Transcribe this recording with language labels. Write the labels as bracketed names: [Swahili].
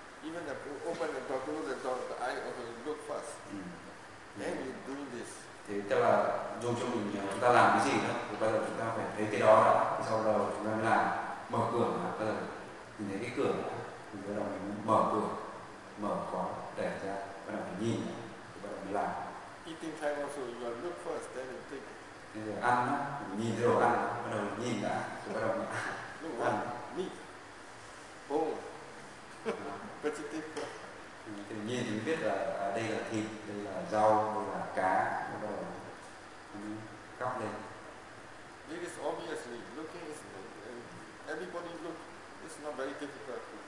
[English] Even if you open the door, close the door, the eye also you look first. Then you do this. [Vietnamese] Thế tức là dù cho mình chúng ta làm cái gì đó, thì bắt đầu chúng ta phải thấy cái đó đã. Sau đó chúng ta mới làm mở cửa mà bắt đầu nhìn thấy cái cửa. Thì bắt đầu mình mở cửa, mở khóa, để ra, bắt đầu mình nhìn, thì bắt đầu mình làm. [English] Eating time also, you gotta look first, then you think. [Vietnamese] Thế rồi ăn á, nhìn cái đồ ăn, bắt đầu mình nhìn đã, thì bắt đầu mình [English] no, ăn. Meat, bone, vegetable. [Vietnamese] Thì nhìn thì biết là đây là thịt, đây là rau, đây là cá, bắt đầu cắp lên. [English] This is obviously, looking is, everybody look, it's not very difficult.